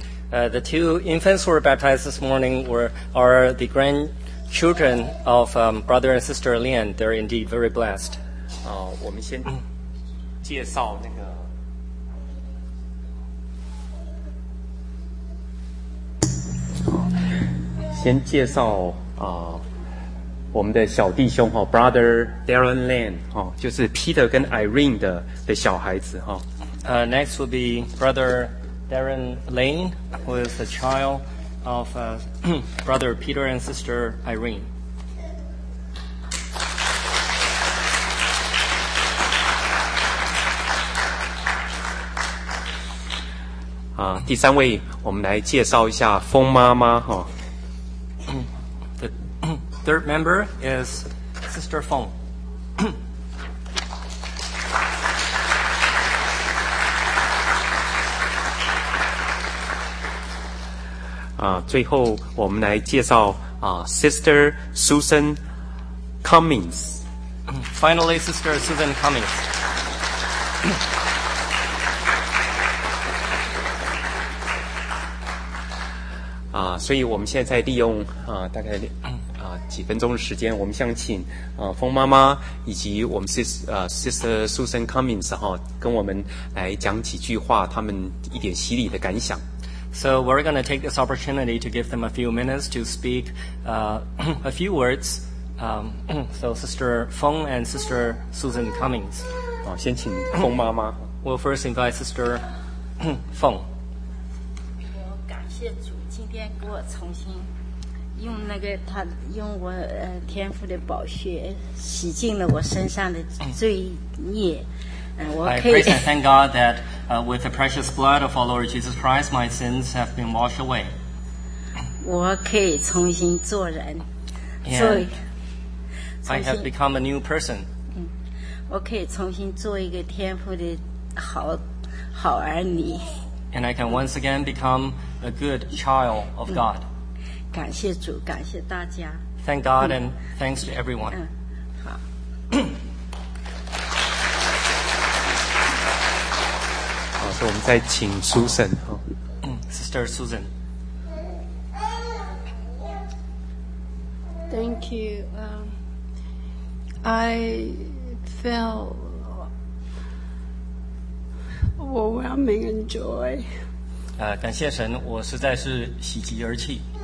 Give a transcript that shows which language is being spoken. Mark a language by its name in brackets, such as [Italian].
[English] The two infants who were baptized this morning are the grandchildren of brother and sister Lian. They're indeed very blessed. [Chinese] 我们先介绍那个先介绍我们的小弟兄Brother Darren Lan, 就是 Peter 跟 Irene 的小孩子。 [English] Next will be Brother Darren Lane, who is the child of Brother Peter and Sister Irene. [Chinese] 第三位我们来介绍一下风妈妈、哦、 [English] The third member is Sister Feng. [Chinese] 最后我们来介绍Sister Susan Cummings. [English] Finally, Sister Susan Cummings. [Chinese] 所以我们现在利用大概几分钟的时间，我们想请风妈妈以及我们 Sister Susan Cummings 哈、哦，跟我们来讲几句话，他们一点洗礼的感想。 [English] So we're going to take this opportunity to give them a few minutes to speak a few words. So Sister Feng and Sister Susan Cummings. [Chinese] 先请风妈妈。 [English] We'll first invite Sister Feng. [Chinese] 我感谢主今天给我重新用那个他用我天父的宝血洗净了我身上的罪孽。 [English] I praise and thank God that with the precious blood of our Lord Jesus Christ, my sins have been washed away. [Chinese] 我可以重新做人。 [English] I have become a new person. [Chinese] 我可以重新做一个天父的好儿女。 [English] And I can once again become a good child of God. [Chinese] 感谢主，感谢大家。 [English] Thank God and thanks to everyone. [Chinese] 好。所以我们再请 Susan、哦、 [English] Sister Susan. Thank you. I feel overwhelming in joy. [Chinese] 感谢神，我实在是喜极而泣。